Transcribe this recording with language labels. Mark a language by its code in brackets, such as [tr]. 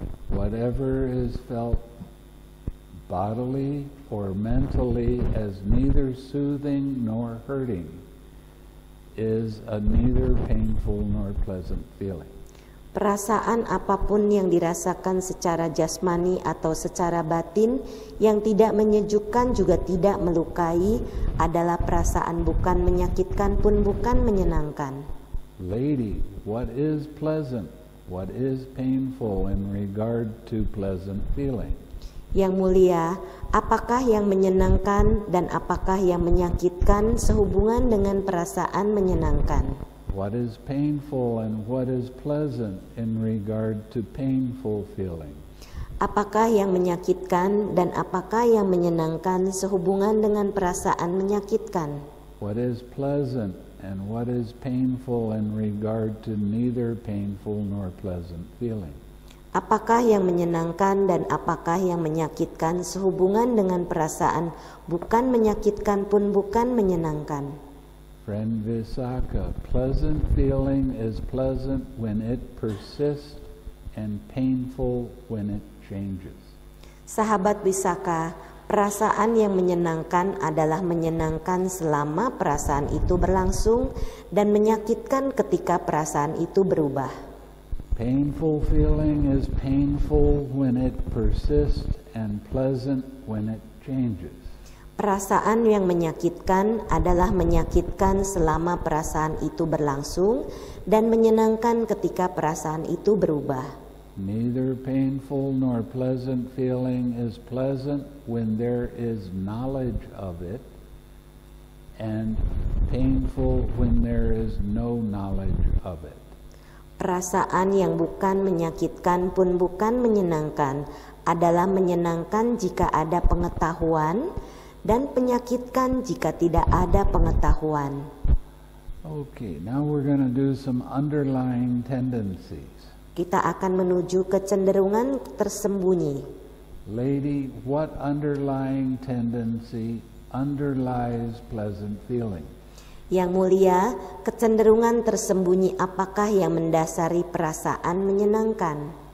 [en] Whatever is felt bodily or mentally as neither soothing nor hurting is a neither painful nor pleasant feeling. [id] Perasaan apapun yang dirasakan secara jasmani atau secara batin yang tidak menyejukkan juga tidak melukai adalah perasaan bukan menyakitkan pun bukan menyenangkan. [en] Lady, what is pleasant? What is painful in regard to pleasant feeling? [id] Yang mulia, apakah yang menyenangkan dan apakah yang menyakitkan sehubungan dengan perasaan menyenangkan? [en] What is painful and what is pleasant in regard to painful feeling? [id] Apakah yang menyakitkan dan apakah yang menyenangkan sehubungan dengan perasaan menyakitkan? [en] What is pleasant and what is painful in regard to neither painful nor pleasant feeling? [id] Apakah yang menyenangkan dan apakah yang menyakitkan sehubungan dengan perasaan bukan menyakitkan pun bukan menyenangkan? [en] Friend Visakha, pleasant feeling is pleasant when it persists and painful when it changes. [id] Sahabat Visakha, perasaan yang menyenangkan adalah menyenangkan selama perasaan itu berlangsung dan menyakitkan ketika perasaan itu berubah. [en] Painful feeling is painful when it persists and pleasant when it changes. [id] Perasaan yang menyakitkan adalah menyakitkan selama perasaan itu berlangsung dan menyenangkan ketika perasaan itu berubah. [en] Neither painful nor pleasant feeling is pleasant when there is knowledge of it and painful when there is no knowledge of it. [id] Perasaan yang bukan menyakitkan pun bukan menyenangkan adalah menyenangkan jika ada pengetahuan dan menyakitkan jika tidak ada pengetahuan. [en] Okay, now we're going to do some underlying tendencies. [id] Kita akan menuju kecenderungan tersembunyi. [en] Lady, what underlying tendency underlies pleasant feeling? [id] Yang mulia, kecenderungan tersembunyi apakah yang mendasari perasaan menyenangkan?